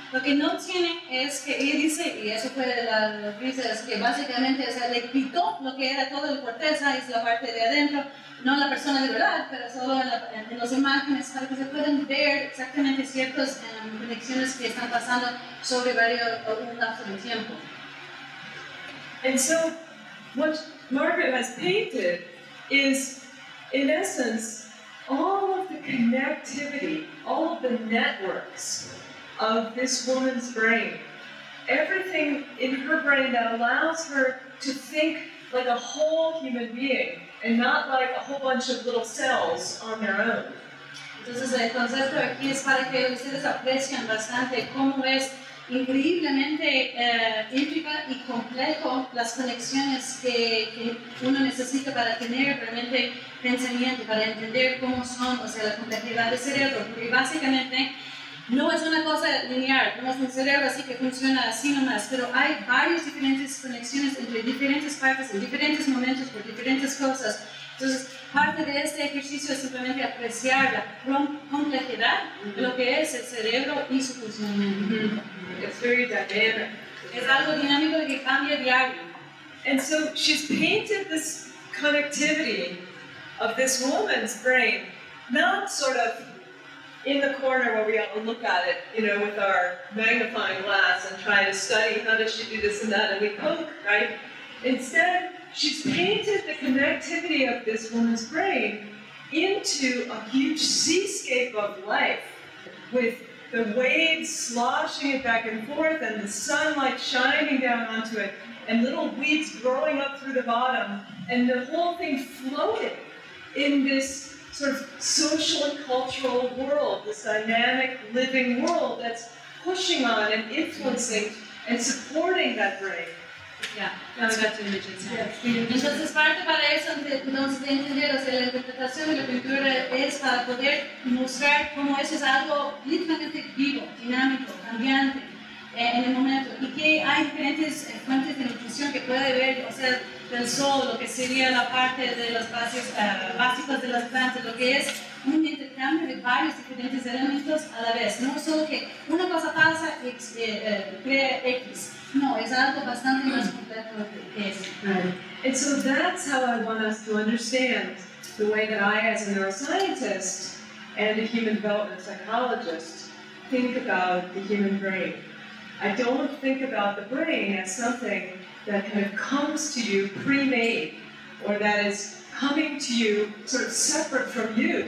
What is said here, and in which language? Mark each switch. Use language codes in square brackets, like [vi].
[es] Lo que no tiene es que ella dice, y eso fue la noticia, es que básicamente le quitó lo que era toda la corteza, es la parte de adentro, no la persona de verdad, pero solo en las imágenes, para que se puedan ver exactamente ciertas conexiones que están pasando sobre varios lapsos de tiempo. [en] And so, what Margaret has painted is, in essence, all of the connectivity, all of the networks of this woman's brain. Everything in her brain that allows her to think like a whole human being, and not like a whole bunch of little cells on their own. [es] Entonces el concepto aquí es para que ustedes aprecien bastante cómo es increíblemente íntima y complejo las conexiones que uno necesita para tener realmente pensamiento, para entender cómo son, o sea, la complejidad del cerebro, porque básicamente no es una cosa lineal, no es un cerebro así que funciona así nomás, pero hay varias diferentes conexiones entre diferentes partes, en diferentes momentos, por diferentes cosas. Entonces, parte de este ejercicio es simplemente apreciar la complejidad de lo que es el cerebro y su funcionamiento. [en] It's very dynamic. [es] Es algo dinámico que cambia diario. [en] And so, she's painted this connectivity of this woman's brain, not sort of in the corner where we all look at it, you know, with our magnifying glass and try to study how does she do this and that, and we poke, right? Instead, she's painted the connectivity of this woman's brain into a huge seascape of life, with the waves sloshing it back and forth and the sunlight shining down onto it and little weeds growing up through the bottom and the whole thing floating in this sort of social and cultural world, this dynamic living world that's pushing on and influencing and supporting that brain. Yeah, that's about to image itself. [es] Entonces, parte para eso, de entender, o sea, la interpretación de la pintura es para poder mostrar cómo eso es algo literalmente vivo, dinámico, cambiante, en el momento, y que hay diferentes fuentes de nutrición que puede ver, o sea, del sol, lo que sería la parte de las bases básicas de las plantas, lo que es un intercambio de varios diferentes elementos a la vez. No solo que una cosa pasa y crea X. No, es algo bastante más completo que eso. [en] And so that's how I want us to understand the way that I, as a neuroscientist and a human development psychologist, think about the human brain. I don't think about the brain as something that kind of comes to you pre-made, or that is coming to you sort of separate from you.